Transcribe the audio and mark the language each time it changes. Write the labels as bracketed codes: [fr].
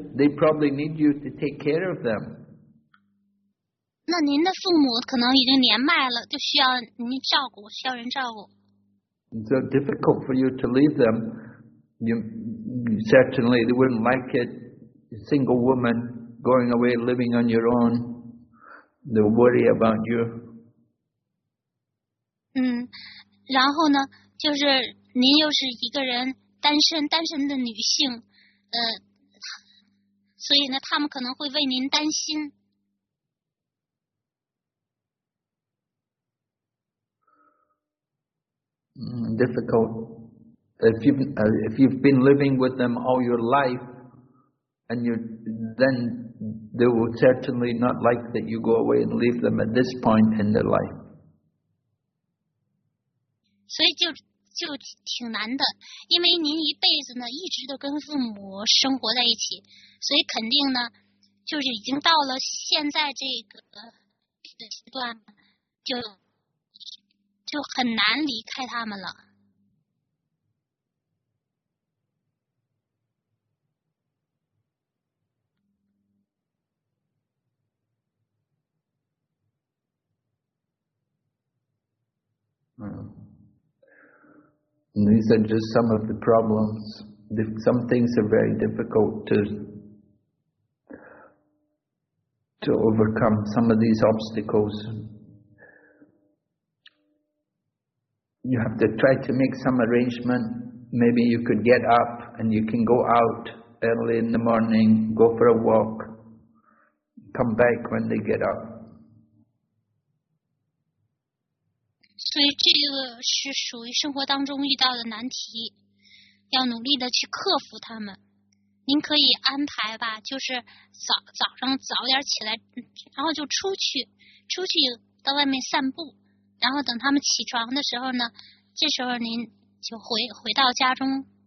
[en] They probably need you to take care of them. [zh] 那您的父母可能已经年迈了，就需要您照顾，需要人照顾。 [en] So difficult for you to leave them. You certainly they wouldn't like it. A single woman going away, living on your own. They'll worry about you. [zh] 然后呢，就是您又是一个人单身的女性，所以呢，他们可能会为您担心。 [en] Difficult. If you've been living with them all your life, and you then they will certainly not like that you go away and leave them at this point in their life. [zh] 所以就挺难的，因为您一辈子呢一直都跟父母生活在一起，所以肯定呢就是已经到了现在这个阶段，就很难离开他们了。 [en] And these are just some of the problems. Some things are very difficult to overcome. Some of these obstacles, you have to try to make some arrangement. Maybe you could get up and you can go out early in the morning, go for a walk, come back when they get up. [zh] 所以这个是属于生活当中遇到的难题，要努力的去克服他们。您可以安排吧，就是早上早点起来，然后就出去到外面散步，然后等他们起床的时候呢，这时候您就回到家中。